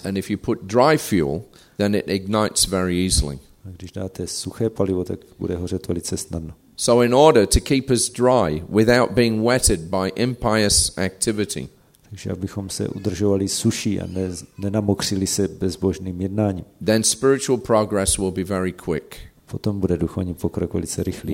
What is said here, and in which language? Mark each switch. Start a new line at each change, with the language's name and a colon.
English: And if you put dry fuel, then it ignites very easily.
Czech: A když dáte suché palivo, tak bude hořet velice snadno.
English: So in order to keep us dry without being wetted by impious activity.
Czech: Takže abychom se udržovali suší a nenamokřili se bezbožným jednáním.
English: Then spiritual progress will be very quick.
Czech: Potom bude duchovní pokrok velice rychlý.